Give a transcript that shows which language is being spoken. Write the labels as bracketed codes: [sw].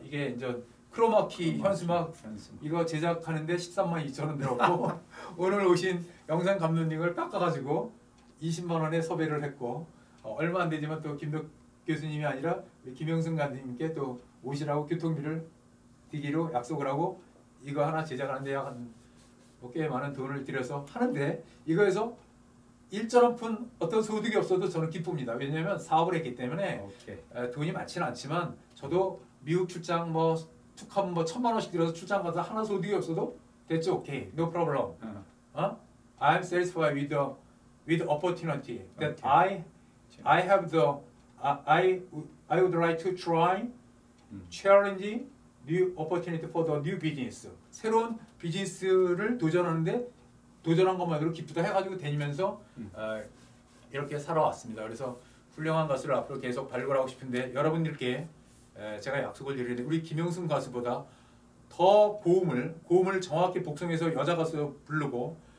[ko] 이게 이제 크로마키 현수막 이거 제작하는데 13만 2천 원 들었고 오늘 오신 영상 감독님을 깎아가지고 20만 원에 섭외를 했고 얼마 안 되지만 또 김덕 교수님이 아니라 김영승 감독님께 또 오시라고 교통비를 드리기로 약속을 하고 이거 하나 제작하는데 약 꽤 많은 돈을 들여서 하는데 이거에서 일절 한푼 어떤 소득이 없어도 저는 기쁩니다. 왜냐하면 사업을 했기 때문에 돈이 많지는 않지만 저도 미국 출장 뭐 툭하면 뭐 천만 원씩 들여서 출장 가서 하나 소득이 없어도 됐죠. [en] 오케이. No problem. I'm satisfied with opportunity that okay. I have the I would like to try challenge new opportunity for the new business. [ko] 새로운 비즈니스를 도전하는데 도전한 것만으로 기쁘다 해가지고 다니면서 이렇게 살아왔습니다. 그래서 훌륭한 가수를 앞으로 계속 발굴하고 싶은데 여러분들께 제가 약속을 드리는데 우리 김영순 가수보다 더 고음을 정확히 복성해서 여자 가수 부르고